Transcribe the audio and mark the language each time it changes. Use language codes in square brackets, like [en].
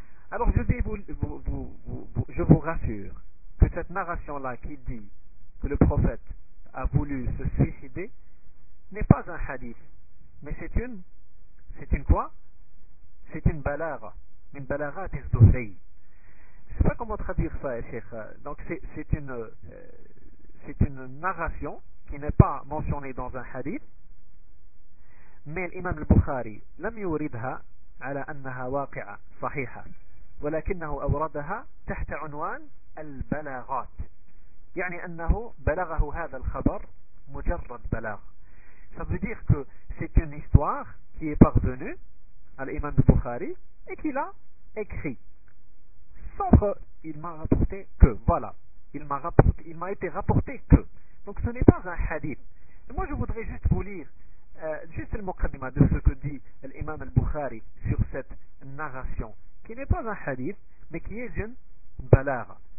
[fr] Alors je vous rassure que cette narration-là qui dit que le prophète a voulu se suicider n'est pas un hadith, mais c'est une balagha, une balagha des dosaï. Je ne sais pas comment traduire ça, cheikh. Donc c'est une narration qui n'est pas mentionnée dans un hadith, mais l'imam al-Bukhari [ar] lam yuridha ala annaha waqi'a sahiha. ولكنه أوردها تحت عنوان البلاغات يعني أنه بلغه هذا الخبر مجرد بلاغ. [fr] Ça veut dire que c'est une histoire qui est parvenue à l'imam Bukhari et qu'il a écrit. Sauf qu'il m'a rapporté que, voilà, il m'a été rapporté que. Donc ce n'est pas un hadith. Et moi je voudrais juste vous lire juste le muqaddima de ce que dit l'imam Bukhari sur cette narration qui n'est pas un hadith, mais qui est une balagha.